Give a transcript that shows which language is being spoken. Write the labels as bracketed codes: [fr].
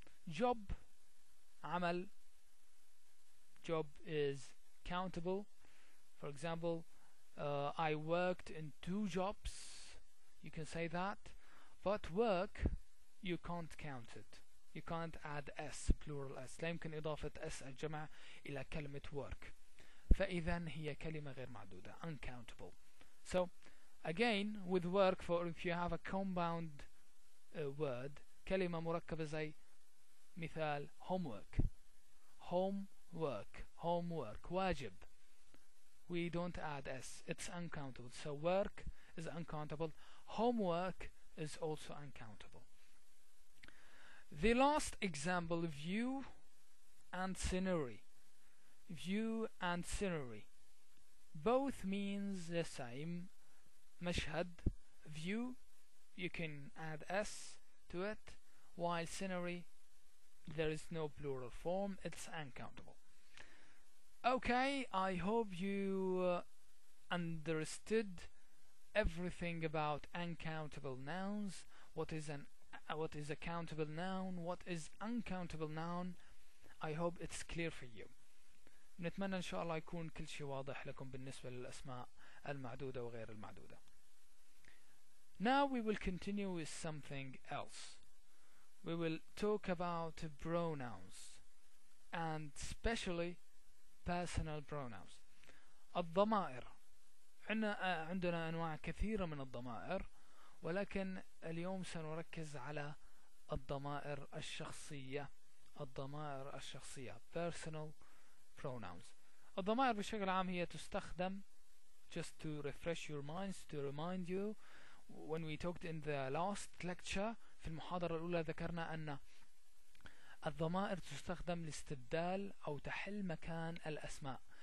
[en] Job, عمل. Job is countable. For example, I worked in two jobs, you can say that. But work, you can't count it. You can't add S, plural S. [ar] لا يمكن إضافة S الجمع إلى كلمة work. فإذا هي كلمة غير معدودة, [en] uncountable. So again with work, for if you have a compound word, [ar] كلمة مركبة, زي مثال [en] homework. homework. Homework, واجب. We don't add s. It's uncountable. So work is uncountable. Homework is also uncountable. The last example, view and scenery. View and scenery. Both means the same. مشهد, view, you can add s to it. While scenery, there is no plural form. It's uncountable. Okay, I hope you understood everything about uncountable nouns. What is a countable noun? What is uncountable noun? I hope it's clear for you. [ar] نتمنى إن شاء الله يكون كل شيء واضح لكم بالنسبة للأسماء المعدودة وغير المعدودة. [en] Now we will continue with something else. We will talk about pronouns and especially personal pronouns. [ar] الضمائر. عندنا أنواع كثيرة من الضمائر, ولكن اليوم سنركز على الضمائر الشخصية. الضمائر الشخصية personal pronouns. الضمائر بشكل عام هي تستخدم [en] just to refresh your minds, to remind you. When we talked in the last lecture, [ar] في المحاضرة الأولى ذكرنا أن الضمائر تستخدم لاستبدال أو تحل مكان الأسماء.